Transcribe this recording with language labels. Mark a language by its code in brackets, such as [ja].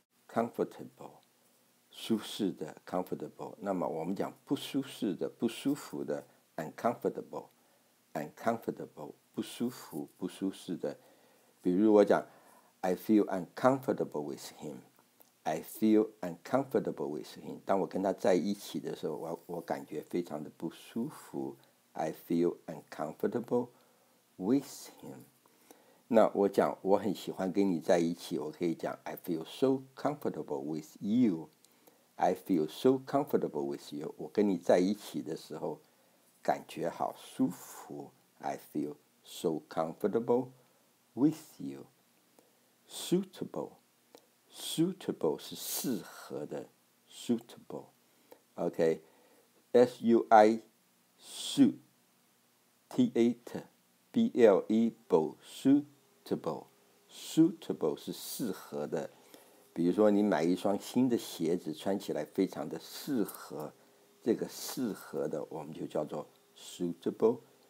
[zh] Comfortable 舒适的 Comfortable 那么我们讲不舒适的不舒服的 Uncomfortable Uncomfortable 不舒服不舒适的比如我讲 [en] I feel uncomfortable with himI feel uncomfortable with him. [zh] 当我跟他在一起的时候 我感觉非常的不舒服 [en] I feel uncomfortable with him. [zh] 那我讲我很喜欢跟你在一起我可以讲 [en] I feel so comfortable with you. I feel so comfortable with you. [zh] 我跟你在一起的时候感觉好舒服 [en] I feel so comfortable with you. [zh] SuitableSuitable 是适合的 Suitable OK S-U-I Suit T-A-T-E B-L-E Bo Suitable Suitable 是适合的比如说你买一双新的鞋子穿起来非常的适合这个适合的我们就叫做 Suitable